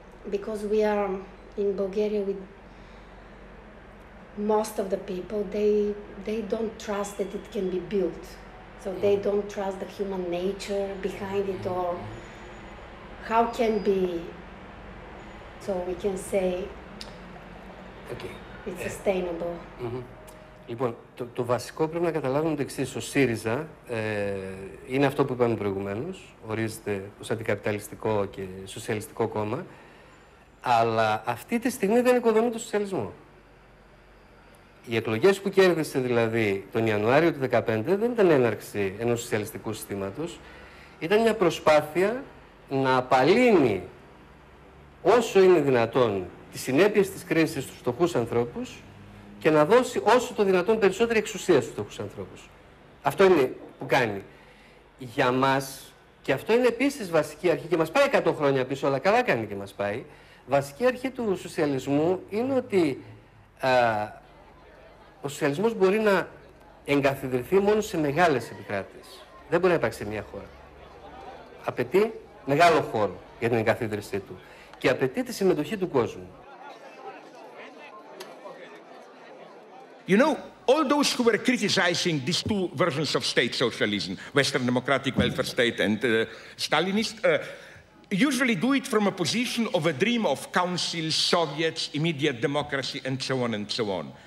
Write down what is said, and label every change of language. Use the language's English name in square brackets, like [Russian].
[English] Because we are, in Bulgaria, with most of the people, they don't trust that it can be built. So mm. they don't trust the human nature behind it, or how can be, so we can say, okay. It's sustainable. Mm-hmm. [Greek] Λοιπόν, το βασικό πρέπει να καταλάβουμε το εξής. Ο ΣΥΡΙΖΑ είναι αυτό που είπαμε προηγουμένως, ορίζεται ως αντικαπιταλιστικό και σοσιαλιστικό κόμμα. Αλλά αυτή τη στιγμή δεν οικοδομεί τον σοσιαλισμό. Οι εκλογές που κέρδισε δηλαδή τον Ιανουάριο του 2015 δεν ήταν έναρξη ενός σοσιαλιστικού συστήματος. Ήταν μια προσπάθεια να απαλύνει όσο είναι δυνατόν τις συνέπειες της κρίσης στους φτωχούς ανθρώπους και να δώσει όσο το δυνατόν περισσότερη εξουσία στους φτωχούς ανθρώπους. Αυτό είναι που κάνει. Για μας, και αυτό είναι επίσης βασική αρχή και μας πάει 100 χρόνια πίσω, αλλά καλά κάνει και μας πάει. Βασική αρχή του σοσιαλισμού είναι ότι ο σοσιαλισμός μπορεί να εγκαθιδρυθεί μόνο σε μεγάλες επικράτειες. Δεν μπορεί να υπάρξει σε μια χώρα. Απαιτεί μεγάλο χώρο για την εγκαθίδρυσή του και απαιτεί τη συμμετοχή του κόσμου. [English] You know, all those who were criticizing these two versions of state socialism, Western democratic welfare state and Stalinist, usually do it from a position of a dream of council, Soviets, immediate democracy, and so on and so on.